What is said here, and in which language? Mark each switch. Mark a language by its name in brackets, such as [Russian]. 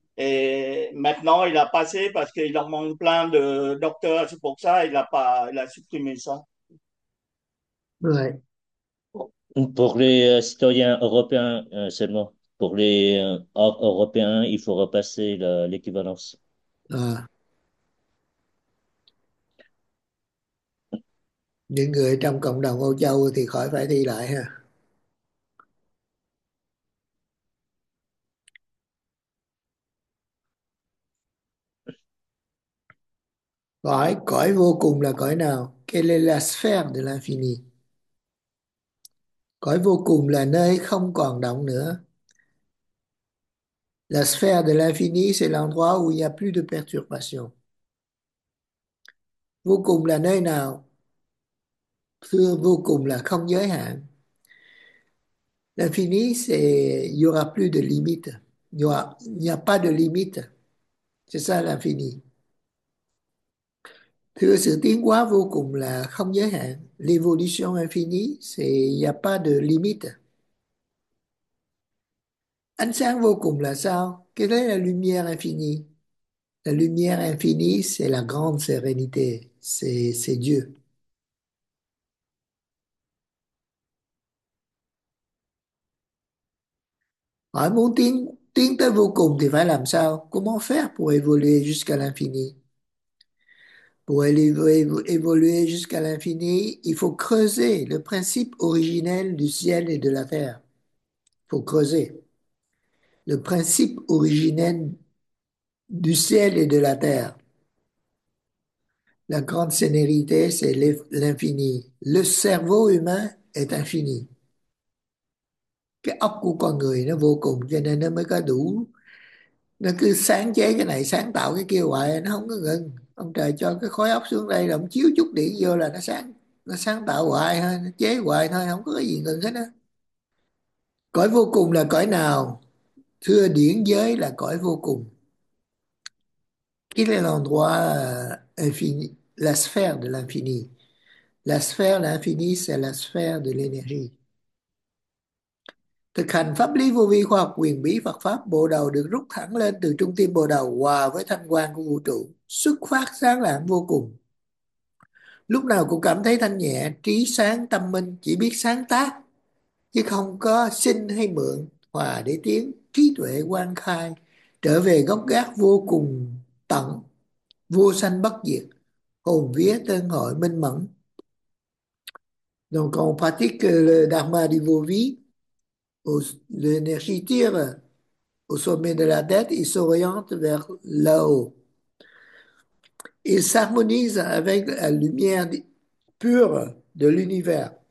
[French] Et maintenant, il a passé parce qu'il leur manque plein de docteurs. C'est pour ça il a supprimé ça. Pour les citoyens européens seulement, pour les européens, il faut repasser l'équivalence. À. [Vietnamese] Những người trong cộng đồng Âu Châu thì khỏi phải thi lại ha. Cõi, cõi vô cùng là cõi nào? [French] Quelle est la sphère de l'infini? [Vietnamese] Cõi vô cùng là nơi không còn động nữa. [French] La sphère de l'infini, c'est l'endroit où il n'y a plus de perturbation. [Vietnamese] Vô cùng là nơi nào? Thưa, vô cùng là không giới hạn. [French] L'infini, c'est il n'y aura plus de limite. Il n'y a pas de limite. C'est ça l'infini. [Vietnamese] Thưa, sự tiến hóa vô cùng là không giới hạn. [French] L'évolution infinie, c'est il n'y a pas de limite. [Vietnamese] Ánh sáng vô cùng là sao? Cái đấy là [French] lumière infinie. La lumière infinie, c'est la grande sérénité. C'est Dieu. [Vietnamese] Hỏi muốn tiến tới vô cùng thì phải làm sao? [French] Comment faire pour évoluer jusqu'à l'infini? Pour évoluer jusqu'à l'infini, il faut creuser le principe originel du ciel et de la terre. Il faut creuser le principe originel du ciel et de la terre. La grande sérénité, c'est l'infini. Le cerveau humain est infini. [Vietnamese] Cái óc của con người nó vô cùng, cho nên nó mới có đủ. Nó cứ sáng chế cái này, sáng tạo cái kia hoài, nó không có ngừng. Ông trời cho cái khối óc xuống đây là ông chiếu chút điện vô là nó sáng tạo hoài thôi, nó chế hoài thôi, không có cái gì ngừng hết á. Cõi vô cùng là cõi nào? Thưa, điển giới là cõi vô cùng. [French] Quel est l'endroit infini, la sphère de l'infini. La sphère de l'infini, c'est la sphère de l'énergie. [Vietnamese] Thực hành pháp lý vô vi khoa học quyền bí Phật pháp, bộ đầu được rút thẳng lên từ trung tâm bộ đầu, hòa với thanh quang của vũ trụ, xuất phát sáng lạn vô cùng. Lúc nào cũng cảm thấy thanh nhẹ, trí sáng tâm minh, chỉ biết sáng tác chứ không có xin hay mượn, hòa để tiến, trí tuệ quang khai, trở về gốc gác vô cùng tận, vô sanh bất diệt, hồn vía tương hội minh mẫn. [French] Donc on pratique le dharma du vô vi, l'énergie tire au sommet de la tête, il s'oriente vers là-haut. Il s'harmonise avec la lumière pure de l'univers.